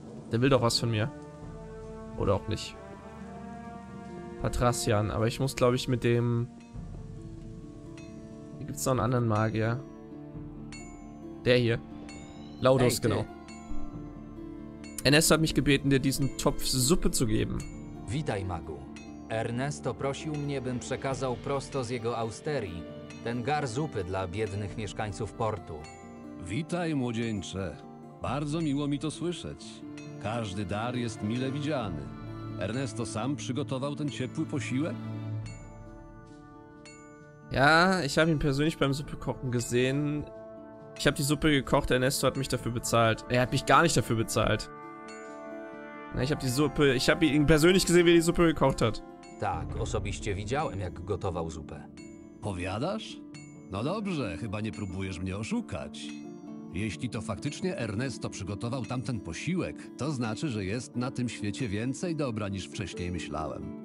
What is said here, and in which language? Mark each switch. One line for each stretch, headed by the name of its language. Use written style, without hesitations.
German: Der will doch was von mir. Oder auch nicht. Patrasian, aber ich muss glaube ich mit dem... Hier gibt es noch einen anderen Magier. Der hier. Laudos, hey, genau. Ernesto hat mich gebeten, dir diesen Topf Suppe zu geben.
Polish: Witaj, Magu. Ernesto prosił mnie, bym przekazał prosto z jego austerii ten gar
German: Suppe
Polish: dla biednych mieszkańców portu. Witaj, młodzieńcze. Bardzo miło mi to słyszeć. Każdy dar jest mile widziany. Ernesto sam przygotował ten ciepły posiłek?
German: Ja, ich habe ihn persönlich beim Suppekochen gesehen. Ich habe die Suppe gekocht, Ernesto hat mich dafür bezahlt. Er hat mich gar nicht dafür bezahlt. Ich habe ihn persönlich gesehen, wie er die Suppe gekocht hat.
Polish: Tak, osobiście widziałem, jak gotował
German: Suppe.
Polish: Powiadasz? No dobrze, chyba nie próbujesz mnie oszukać. Jeśli to faktycznie Ernesto przygotował tamten posiłek, to znaczy, że jest na tym świecie więcej dobra niż wcześniej myślałem.